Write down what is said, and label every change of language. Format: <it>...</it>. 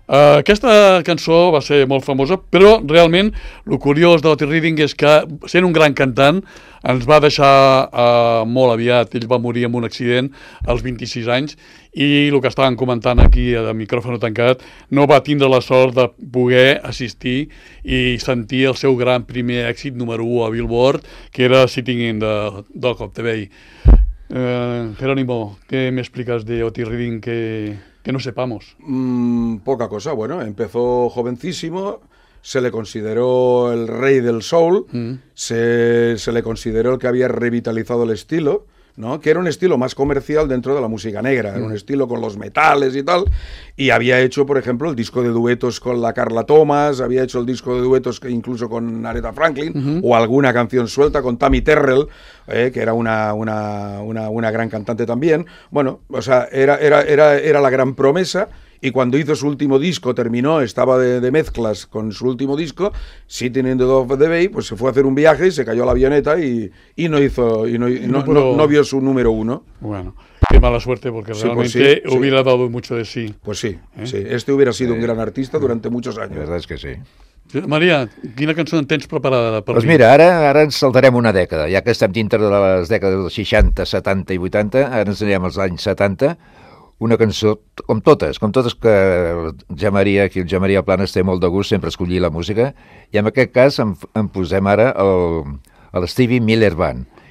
<ca>Aquesta cançó va ser molt famosa, però realment el curiós d'Otis Redding és que, sent un gran cantant, ens va deixar molt aviat. Ell va morir en un accident als 26 anys i el que estàvem comentant aquí de micròfono tancat, no va tindre la sort de poder assistir i sentir el seu gran primer èxit número 1 a Billboard, que era Sitting in the Dock of the Bay.</ca> <es>Jerónimo, ¿qué me explicas de Otis Redding que no sepamos? Poca cosa. Bueno, empezó jovencísimo, se le consideró el rey del soul, se le consideró el que había revitalizado el estilo, ¿no? Que era un estilo más comercial dentro de la música negra, era un estilo con los metales y tal, y había hecho, por ejemplo, el disco de duetos con la Carla Thomas, había hecho el disco de duetos que incluso con Aretha Franklin, o alguna canción suelta con Tammy Terrell, que era una gran cantante también. Bueno, o sea, era la gran promesa. Y cuando hizo su último disco, terminó, estaba de mezclas con su último disco, Sitting in the Dock of the Bay, pues se fue a hacer un viaje y se cayó a la avioneta y no hizo, no vio su número uno. Bueno, qué mala suerte, porque sí, realmente pues sí, hubiera dado mucho de sí. Pues sí, sí. Este hubiera sido un gran artista durante muchos años. La verdad es que sí.</es> <ca>Maria, quina cançó en tens preparada per mi? Doncs mira, ara ens saltarem una dècada, ja que estem dintre de les dècades dels 60, 70 i 80, ara ens anirem als anys 70, una cançó, com totes que el Jean-Maria Planas té molt de gust sempre escollir la música, i en aquest cas en posem ara el Stevie Miller Band.</ca>